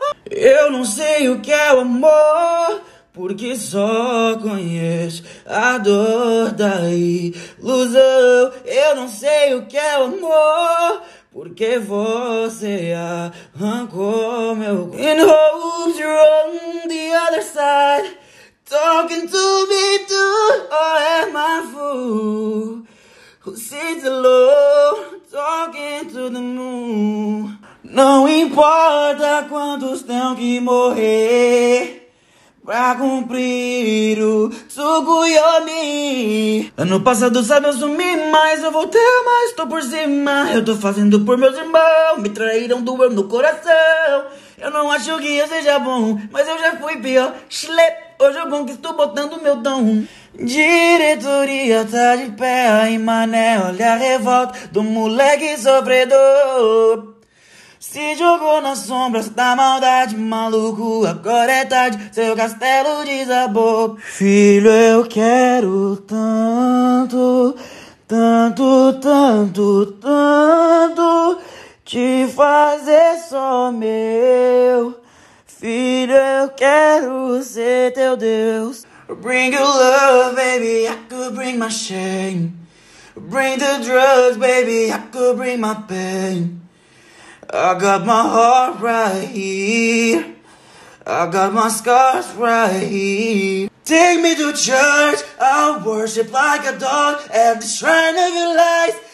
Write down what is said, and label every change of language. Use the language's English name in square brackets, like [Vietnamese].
[Portuguese] Eu não sei o que é o amor, porque só conheço a dor da ilusão. Eu não sei o que é o amor, porque você arrancou meu coração. [English] In hopes you're on the other side, talking to me too. Oh, am I fool who sits alone, talking to the moon? [Portuguese] Não importa quantos tenham que morrer pra cumprir o Tsukuyomi. Ano passado, sabe, eu sumi, mas eu voltei, mas tô por cima. Eu tô fazendo por meus irmãos, me traíram, doeu no coração. Eu não acho que eu seja bom, mas eu já fui pior. Schlep, hoje é bom que estou botando meu dom. Diretoria tá de pé aí, mané, olha a revolta do moleque sofredor. Se jogou nas sombras da maldade, maluco. Agora é tarde, seu castelo desabou. Filho, eu quero tanto, tanto, tanto, tanto te fazer só meu. Filho, eu quero ser teu Deus. [English] Bring your love, baby, I could bring my shame. Bring the drugs, baby, I could bring my pain. I got my heart right here. I got my scars right here. Take me to church. I'll worship like a dog at the shrine of your lies.